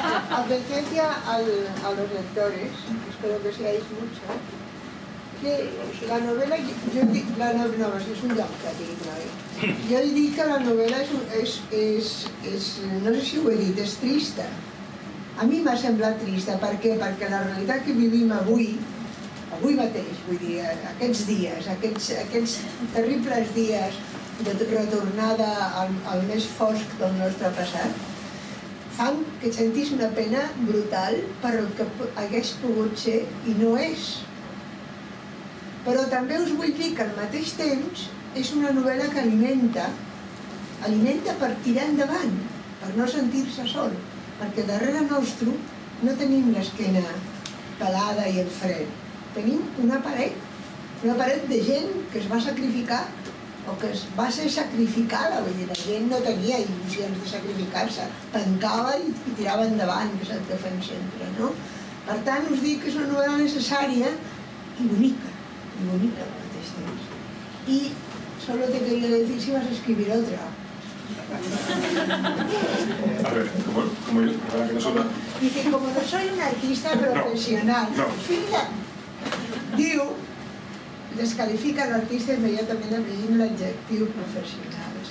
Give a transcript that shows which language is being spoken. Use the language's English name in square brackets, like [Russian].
[Spanish] Advertencia a los lectores, espero que seáis muchos, que la novela, es un yautatino, ¿eh? Yo diría que la novela es, [Catalan] no sé si ho he dit, [Spanish] es trista. A mí me ha [Catalan] semblat trista, [Spanish] ¿por qué? Porque la realidad que vivimos [Catalan] avui mateix, vull dir, aquests dies, aquests terribles dies de retornada al més fosc del nostre passat, fan que sentís una pena brutal per el que hagués pogut ser i no és. Però també us vull dir que al mateix temps és una novel·la que alimenta per tirar endavant, per no sentir-se sol, perquè darrere nostre no tenim l'esquena pelada i el fred. Tenim una paret de gent que es va sacrificar o que es va ser sacrificada. La gent no tenia il·lusions de sacrificar-se, tancava i tirava endavant, que és el que fem sempre, no? Per tant, us dic que és una novel·la necessària i bonica al mateix temps. [Spanish] I solo te quería decir si vas a escribir otra. A ver, como yo, para que no soy dice, como no soy un artista profesional, no. [Catalan] Diu, descalifica l'artista immediatament amb l'adjectiu professional.